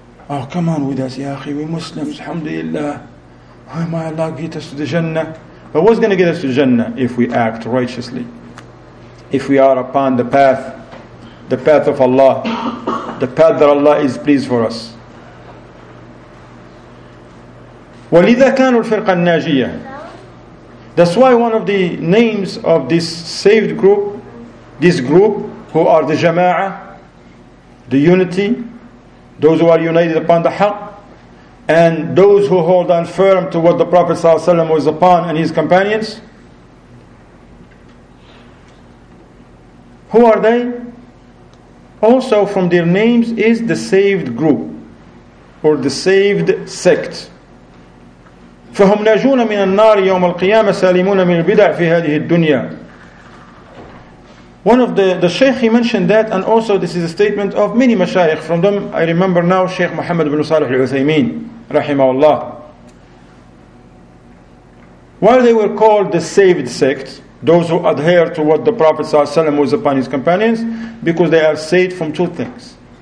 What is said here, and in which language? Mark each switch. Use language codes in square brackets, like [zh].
[en] Oh, come on with us, ya akhi. We Muslims, alhamdulillah. Oh, may Allah get us to the Jannah. But what's going to get us to Jannah if we act righteously? If we are upon the path of Allah, the path that Allah is pleased for us. [ar] ولذا كانوا الفرقة الناجية. [en] That's why one of the names of this saved group, this group who are the jama'a, the unity, those who are united upon the haqq, and those who hold on firm to what the Prophet ﷺ was upon and his companions. Who are they? Also from their names is the saved group, or the saved sect. [ar] فهم ناجون من النار يوم القيامة سالمون من البدع في هذه الدنيا. [en] One of the Shaykh, he mentioned that, and also this is a statement of many mashayikh. From them, I remember now Shaykh Muhammad ibn Salih al-Uthaymeen, rahimahullah. While they were called the saved sect, those who adhere to what the Prophet ﷺ was upon his companions, because they are saved from 2 things.